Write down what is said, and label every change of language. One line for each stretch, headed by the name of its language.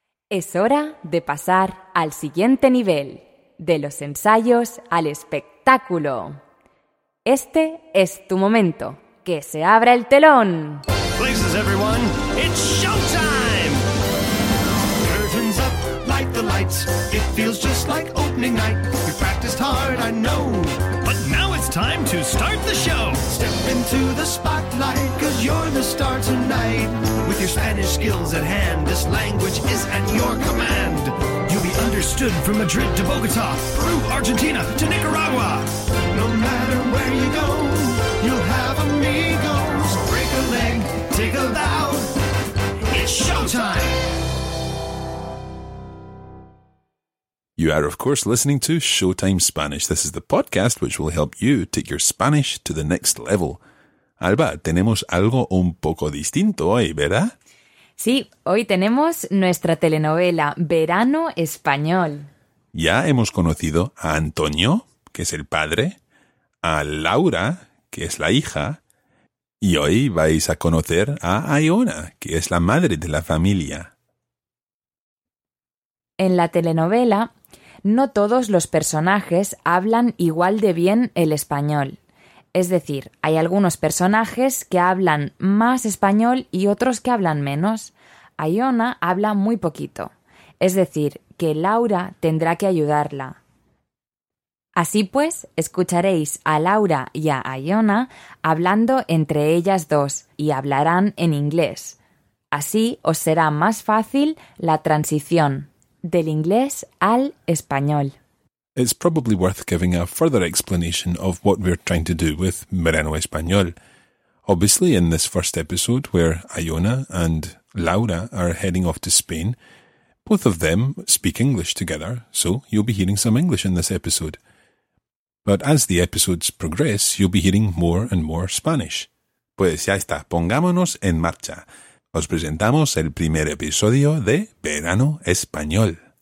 Spanish: Es hora de pasar al siguiente nivel, de los ensayos al espectáculo. Este es tu momento. ¡Que se abra el telón!
English: Places, everyone, it's showtime! Curtains up, light the lights. It feels just like opening night. We practiced hard, I know. But now it's time to start the show. Step into the spotlight, cause you're the star tonight. With your Spanish skills at hand, this language is at your command. You'll be understood from Madrid to Bogota, Peru, Argentina to Nicaragua. No matter where you go, you'll have amigos. Break a leg, take a bow. It's showtime. You are, of course, listening to Showtime Spanish. This is the podcast which will help you take your Spanish to the next level.
Spanish: Alba, tenemos algo un poco distinto hoy, ¿verdad? Sí, hoy tenemos nuestra telenovela Verano Español. Ya hemos conocido a Antonio, que es el padre, a Laura, que es la hija, y hoy vais a conocer a Iona, que es la madre de la familia. En la telenovela, no todos los personajes hablan igual de bien el español. Es decir, hay algunos personajes que hablan más español y otros que hablan menos. Iona habla muy poquito. Es decir, que Laura tendrá que ayudarla. Así pues, escucharéis a Laura y a Iona hablando entre ellas dos y hablarán en inglés. Así os será más fácil la transición. Del inglés al español.
English: It's probably worth giving a further explanation of what we're trying to do with Verano Español. Obviously, in this first episode, where Iona and Laura are heading off to Spain, both of them speak English together, so you'll be hearing some English in this episode. But as the episodes progress, you'll be hearing more and more Spanish.
Spanish: Pues ya está, pongámonos en marcha. Os presentamos el primer episodio de Verano Español.